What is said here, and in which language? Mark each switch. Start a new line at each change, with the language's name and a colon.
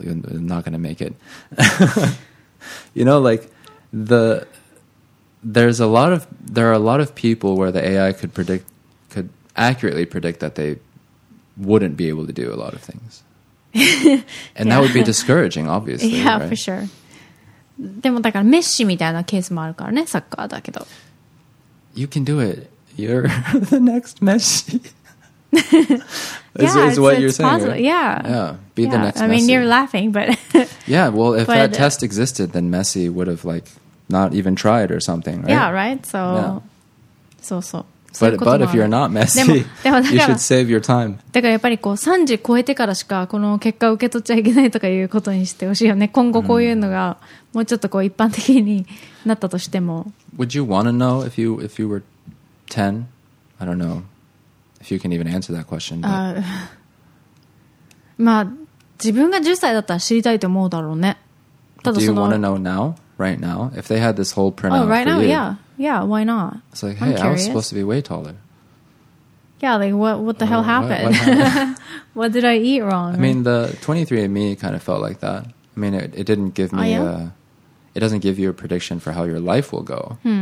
English: You're not going to make it. You know, like there are a lot of people where the AI could accurately predict that they wouldn't be able to do a lot of things. And yeah. That would be discouraging, obviously. Yeah, right? For sure.
Japanese: でもだからメッシみたいなケースもあるからね、サッカーだけど。
English: You can do it. You're the next Messi. Yeah, is what you're saying. Right? Yeah. Be the next Messi. I mean, you're laughing, but Yeah, well, if that test existed, then Messi would have like not even tried or something, right? Yeah, right. So, so, so. But if you're not Messi, you should save your time.
Japanese: だからやっぱりこう30超えてからしかこの結果を受け取っちゃいけないとかいうことにしてほしいよね。今後こういうのがもうちょっとこう一般的になったとしても。
English: Would you want to know if you were 10? I don't know if you can even answer that question.
Japanese: まあ自分が10歳だったら知りたいと思うだろうね。ただその。
English: Do you want to know now? Right now, if they had this whole printout for you. Oh, right now, you, yeah, why not? It's like, hey, I was supposed to be way taller. Yeah, like, what the hell happened? What did I eat wrong? I mean, the 23andMe kind of felt like that. I mean, it didn't give me it doesn't give you a prediction for how your life will go.